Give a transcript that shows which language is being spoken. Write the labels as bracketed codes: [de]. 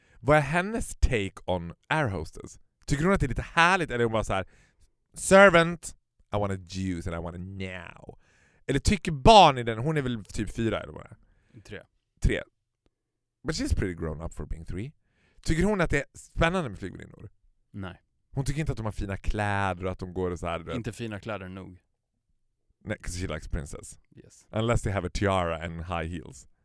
[sv] Vad är hennes [en] take on air hostess? [sv] Tycker hon att det är lite härligt? Eller är hon bara så här, [en] servant, I want a juice and I want a now. [sv] Eller tycker barn i den, hon är väl typ 4 eller vad? 3. [en] But she's pretty grown up for being 3. [sv] Tycker hon att det är spännande med flygvärdinnor? Nej. Hon tycker inte att de har fina kläder och att de går och så här. Inte fina kläder nog. Nej, [en] because she likes princess. Yes. Unless they have a tiara and high heels.